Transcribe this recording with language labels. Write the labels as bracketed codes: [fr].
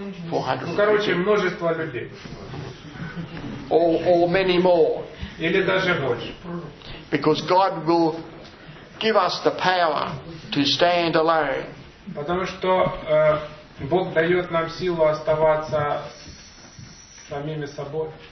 [ru] Ну, короче, множество людей. [en] Or many more. [ru] Или даже больше. [en] Because God will give us the power to stand alone. [ru] Потому что Бог дает нам силу оставаться самими собой.